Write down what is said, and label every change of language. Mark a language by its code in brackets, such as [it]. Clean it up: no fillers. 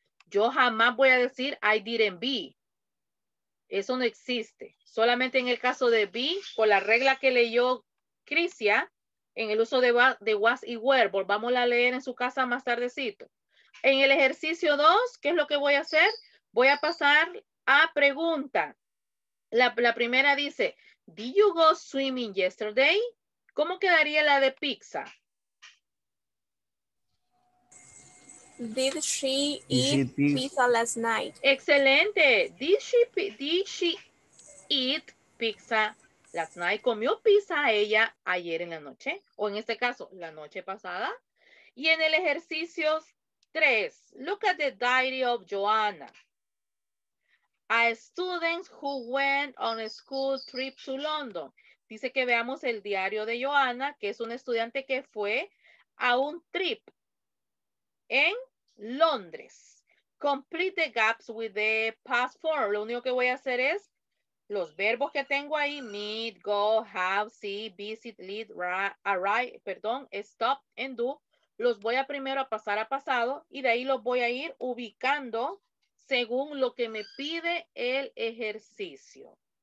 [es] Yo jamás voy a decir [en] I didn't be. [es] Eso no existe. Solamente en el caso de be, por la regla que leyó Crisia, en el uso de was y were. Volvámosla a leer en su casa más tardecito. En el ejercicio 2, ¿qué es lo que voy a hacer? Voy a pasar a pregunta. La primera dice, [en] did you go swimming yesterday? [es] ¿Cómo quedaría la de pizza? [en] Did she eat pizza last night? Excelente. Did she eat pizza last night? [es] ¿Comió pizza ella ayer en la noche? O en este caso, la noche pasada. Y en el ejercicio 3, [en] look at the diary of Joanna. A student who went on a school trip to London. [es] Dice que veamos el diario de Joanna, que es un estudiante que fue a un trip en Londres. [en] Complete the gaps with the past form. [es] Lo único que voy a hacer es los verbos que tengo ahí, meet, go, have, see, visit, lead, arrive, perdón, stop, and do, los voy a primero a pasar a pasado y de ahí los voy a ir ubicando según lo que me pide el ejercicio.